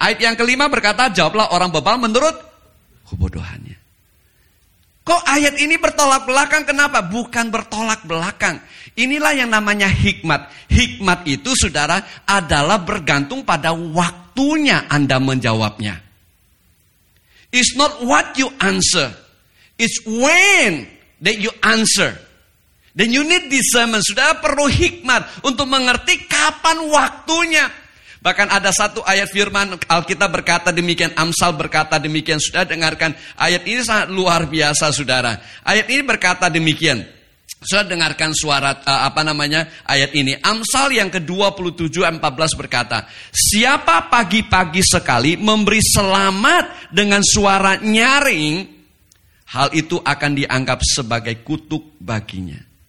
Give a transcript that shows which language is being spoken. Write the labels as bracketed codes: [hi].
[id] Ayat yang kelima berkata, jawablah orang bebal menurut kebodohannya. Kok ayat ini bertolak belakang? Kenapa? Bukan bertolak belakang. Inilah yang namanya hikmat. Hikmat itu, saudara, adalah bergantung pada waktunya Anda menjawabnya. [en] It's not what you answer. It's when that you answer. Then you need discernment. [id] Saudara perlu hikmat untuk mengerti kapan waktunya. Bahkan ada satu ayat firman Alkitab berkata demikian, Amsal berkata demikian, sudah dengarkan. Ayat ini sangat luar biasa, saudara. Ayat ini berkata demikian. Sudah dengarkan suara, ayat ini. Amsal yang ke-27, 14 berkata, siapa pagi-pagi sekali memberi selamat dengan suara nyaring, hal itu akan dianggap sebagai kutuk baginya.